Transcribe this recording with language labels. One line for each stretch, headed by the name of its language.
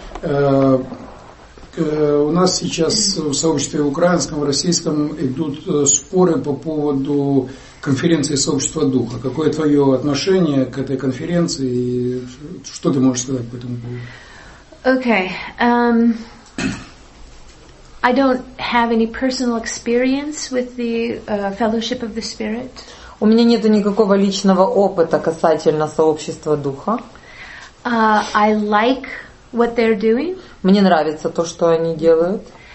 Russian: У нас сейчас в сообществе украинском, российском идут споры по поводу конференции сообщества духа. Какое твое отношение к этой конференции? И что ты можешь сказать по этому поводу?
English: Okay. I don't have any personal experience with the Fellowship of the Spirit.
Russian: У меня нету никакого личного опыта касательно сообщества духа.
English: I like what they're doing.
Russian: Мне нравится то, что они делают.